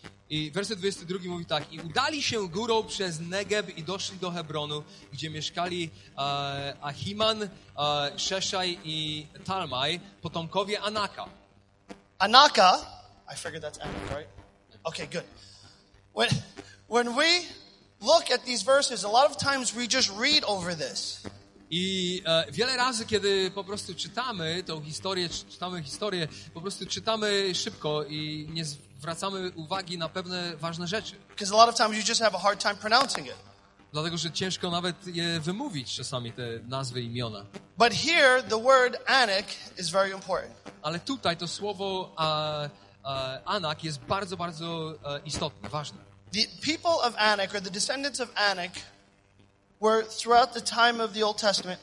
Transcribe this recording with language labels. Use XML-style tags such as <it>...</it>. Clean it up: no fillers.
<pl>I werset 22 mówi tak: i udali się górą przez Negeb i doszli do Hebronu, gdzie mieszkali Ahiman, Sheshai i Talmai, potomkowie Anaka. Anaka?</pl> <en>I figured that's Anak, right? Okay, good. When we look at these verses, a lot of times we just read over this.</en> <pl>I wiele razy, kiedy po prostu czytamy tą historię, po prostu czytamy szybko i nie zwracamy uwagi na pewne ważne rzeczy.</pl> <en>Because a lot of times you just have a hard time pronouncing it.</en> <pl>Dlatego, że ciężko nawet je wymówić czasami, te nazwy, imiona.</pl> <en>But here the word Anak is very important.</en> <pl>Ale tutaj to słowo Anak jest bardzo, bardzo istotne, ważne.</pl> <en>The people of Anak, or the descendants of Anak, were throughout the time of the Old Testament.</en>